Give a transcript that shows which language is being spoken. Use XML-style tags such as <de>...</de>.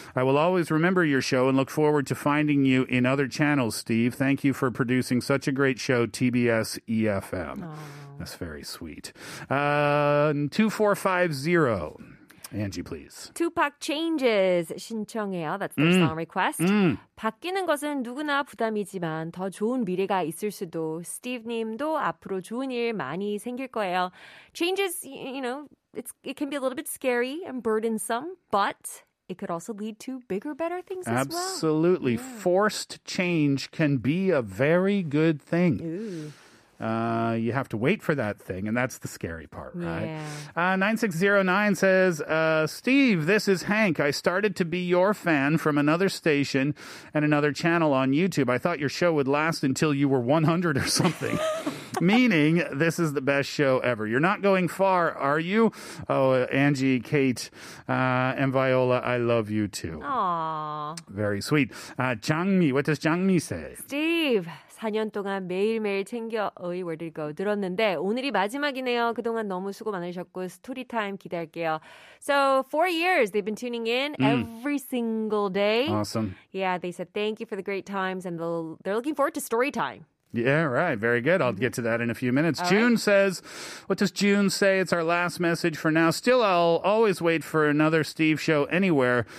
<en>I will always remember your show and look forward to finding you in other channels, Steve. Thank you for producing such a great show, TBS EFM. Aww. That's very sweet. 2450. Angie, please. Tupac Changes</en> <ko>신청해요.</ko> <en>That's their song request.</en> <ko>바뀌는 것은 누구나 부담이지만 더 좋은 미래가 있을 수도 스티브님도 앞으로 좋은 일 많이 생길 거예요.</ko> <en>Changes, you know, it can be a little bit scary and burdensome, but it could also lead to bigger, better things as Absolutely. Well. Absolutely. Yeah. Forced change can be a very good thing. Ooh. You have to wait for that thing, and that's the scary part, right? Yeah. 9609 says, Steve, this is Hank. I started to be your fan from another station and another channel on YouTube. I thought your show would last until you were 100 or something. Meaning, this is the best show ever. You're not going far, are you? Oh, Angie, Kate, and Viola, I love you too. Aww. Very sweet. Changmi, what does Changmi say?</en> <ko>Steve, 4년 동안 매일매일 챙겨 의 월드리고 들었는데 오늘이 마지막이네요. 그동안 너무 수고 많으셨고 스토리 타임 기대할게요.</ko> <en>So, 4 years, they've been tuning in every single day. Awesome. Yeah, they said thank you for the great times and they're looking forward to story time. Yeah, right. Very good. I'll get to that in a few minutes. June says, what does June say? It's our last message for now. Still, I'll always wait for another Steve show anywhere.</en>